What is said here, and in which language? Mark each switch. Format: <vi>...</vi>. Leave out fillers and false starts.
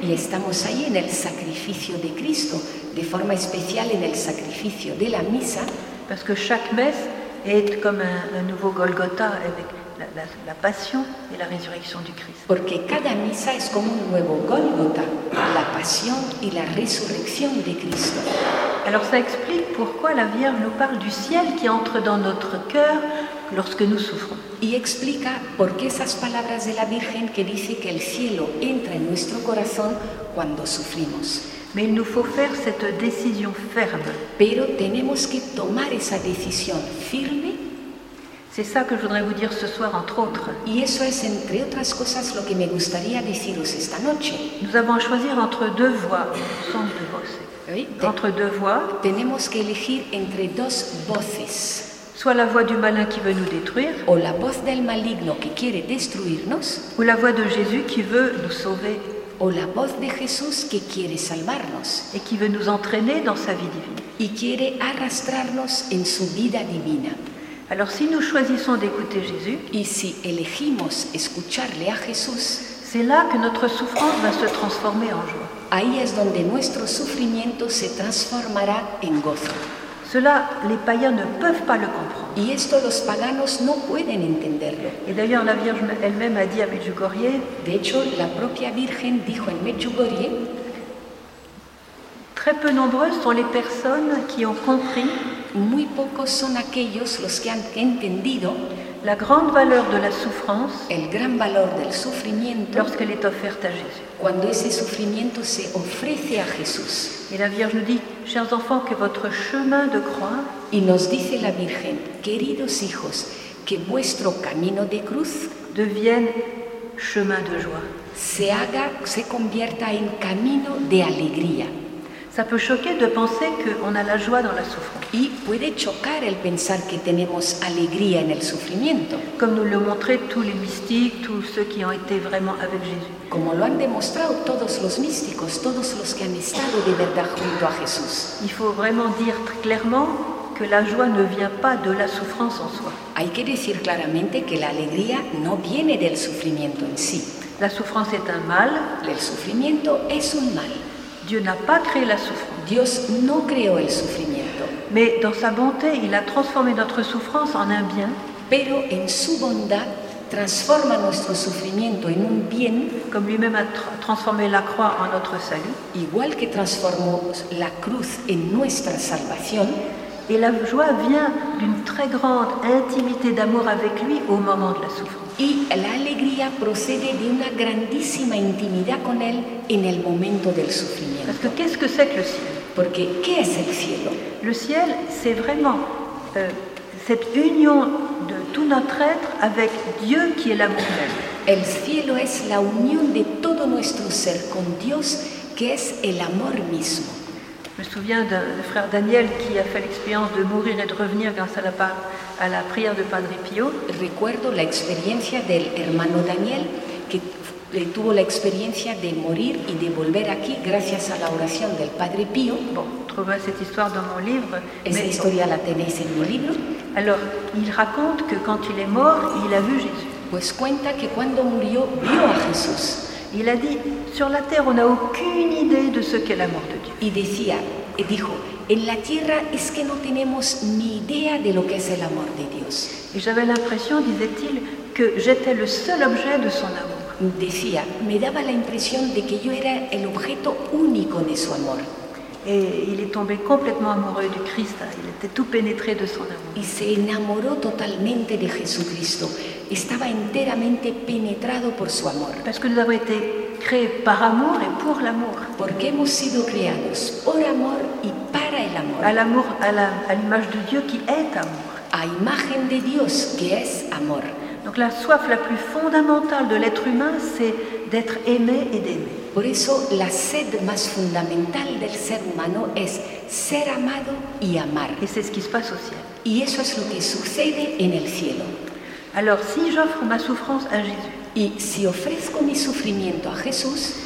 <es>Y estamos ahí en el sacrificio de Cristo, de forma especial en el sacrificio de la misa.</es> <fr>Parce que chaque messe est comme un nouveau Golgotha avec la passion et la résurrection du Christ.</fr> <es>Porque cada misa es como un nuevo Golgotha, la pasión y la resurrección de Cristo.</es> <fr>Alors ça explique pourquoi la Vierge nous parle du ciel qui entre dans notre cœur lorsque nous souffrons.</fr> <es>Y explica por qué esas palabras de la Virgen que dice que el cielo entra en nuestro corazón cuando sufrimos.</es> <fr>Mais il nous faut faire cette décision ferme.</fr> <es>Pero tenemos que tomar esa decisión firme.</es> <fr>C'est ça que je voudrais vous dire ce soir, entre autres.</fr> <es>Y eso es entre otras cosas lo que me gustaría deciros esta noche.</es> <fr>Nous avons à choisir entre deux voix, sans deux voces. Oui, entre deux voix.</fr> <es>Tenemos que elegir entre dos voces.</es> <fr>Soit la voix du malin qui veut nous détruire,</fr> <es>o la voz del maligno que quiere destruirnos,</es> <fr>ou la voix de Jésus qui veut nous sauver,</fr> <es>o la voz de Jesús que quiere salvarnos,</es> <fr>et qui veut nous entraîner dans sa vie divine,</fr> <es>y quiere arrastrarnos en su vida divina.</es> <fr>Alors si nous choisissons d'écouter Jésus,</fr> <es>y si elegimos escucharle a Jesús,</es> <fr>c'est là que notre souffrance va se transformer en joie.</fr> <es>Ahí es donde nuestro sufrimiento se transformará en gozo.</es> <fr>Cela, les païens ne peuvent pas le comprendre.</fr> <es>Y esto los paganos no pueden entenderlo.</es> <fr>Et d'ailleurs, la Vierge elle-même a dit à Medjugorje.</fr> <es>De hecho, la propia Virgen dijo en Medjugorje.</es> <fr>Très peu nombreuses sont les personnes qui ont compris.</fr> <es>Muy pocos son aquellos los que han entendido</es> <fr>la grande valeur de la souffrance.</fr> <es>El gran valor del sufrimiento.</es> <fr>Lorsqu'elle est offerte à Jésus.</fr> <es>Cuando ese sufrimiento se ofrece a Jesús.</es> <fr>Et la Vierge nous dit, chers enfants, que votre chemin de croix.</fr> <es>Y nos dice la Virgen, queridos hijos, que vuestro camino de cruz</es> <fr>devienne chemin de joie.</fr> <es>Se convierta en camino de alegría.</es> <fr>Ça peut choquer de penser qu'on a la joie dans la souffrance.</fr> <es>Y puede chocar el pensar que tenemos alegría en el sufrimiento.</es> <fr>Comme nous le montraient tous les mystiques, tous ceux qui ont été vraiment avec Jésus.</fr> <es>Como lo han demostrado todos los místicos, todos los que han estado de verdad junto a Jesús.</es> <fr>Il faut vraiment dire très clairement que la joie ne vient pas de la souffrance en soi.</fr> <es>Hay que decir claramente que la alegría no viene del sufrimiento en sí.</es> <fr>La souffrance est un mal.</fr> <es>El sufrimiento es un mal.</es> <fr>Dieu n'a pas créé la souffrance.</fr> <es>Dios no creó el sufrimiento.</es> <fr>Mais dans sa bonté, il a transformé notre souffrance en un bien.</fr> <es>Pero en su bondad transforma nuestro sufrimiento en un bien,</es> <fr>comme lui-même a transformé la croix en notre salut,</fr> <es>igual que transformó la cruz en nuestra salvación.</es> <fr>Et la joie vient d'une très grande intimité d'amour avec lui au moment de la souffrance.</fr> <es>Y la alegría procede de una grandísima intimidad con él en el momento del sufrimiento.</es> <fr>Parce que qu'est-ce que c'est que le ciel?</fr> <es>Porque ¿qué es el cielo?</es> <fr>Le ciel, c'est vraiment cette union de tout notre être avec Dieu qui est l'amour même.</fr> <es>El cielo es la unión de todo nuestro ser con Dios, que es el amor mismo.</es> <fr>Je me souviens d'un frère Daniel qui a fait l'expérience de mourir et de revenir grâce à la prière de Padre Pio.</fr> <es>Recuerdo la experiencia del hermano Daniel que tuvo la experiencia de morir y de volver aquí gracias a la oración del Padre Pio.</es> <fr>Bon, trouvez cette histoire dans mon livre.</fr> <es>Esa historia la tenéis en mi libro.</es> <fr>Alors, il raconte que quand il est mort, il a vu Jésus.</fr> <es>Pues cuenta que cuando murió vio a Jesús.</es> <fr>Il a dit, sur la terre, on n'a aucune idée de ce qu'est la mort de Dieu.</fr> <es>Y decía, y dijo, en la tierra es que no tenemos ni idea de lo que es el amor de Dios.</es> <fr>Et j'avais l'impression, disait-il, que j'étais le seul objet de son amour.</fr> <es>Decía, me daba la impresión de que yo era el objeto único de su amor.</es> <fr>Et il est tombé complètement amoureux du Christ. Il était tout pénétré de son amour.</fr> <es>Y se enamoró totalmente de Jesucristo. Estaba enteramente penetrado por su amor.</es> <fr>Parce que nous avons été créés par amour et pour l'amour.</fr> <es>Porque hemos sido creados por amor y para el amor.</es> <fr>À l'amour, à l'image de Dieu qui est amour.</fr> <es>A imagen de Dios que es amor.</es> <fr>Donc la soif la plus fondamentale de l'être humain, c'est d'être aimé et d'aimer.</fr> <es>Por eso la sed más fundamental del ser humano es ser amado y amar.</es> <fr>Et c'est ce qui se passe au ciel.</fr> <es>Y eso es lo que sucede en el cielo.</es> <fr>Alors si j'offre ma souffrance à Jésus,</fr> <es>y si ofrezco mi sufrimiento a Jesús,</es>